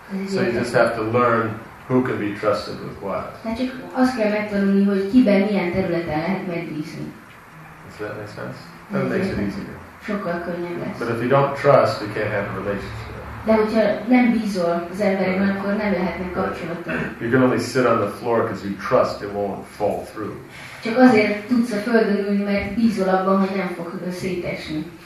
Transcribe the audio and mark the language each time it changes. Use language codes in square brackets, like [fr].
[en] So you just have to learn who can be trusted with what. [hu] Tehát csak azt kell megtanulni, hogy kiben milyen területen lehet megbízni. [en] Does that make sense? That makes it easier. [hu] Sokkal könnyebb lesz. [en] But if you don't trust, you can't have a relationship. [hu] De hogyha nem bízol az emberekben, akkor nem lehetnek kapcsolatban. [en] You can only sit on the floor because you trust it won't fall through. [hu] Csak azért tudsz a földön ülni, mert bízol abban, hogy nem fog szétesni.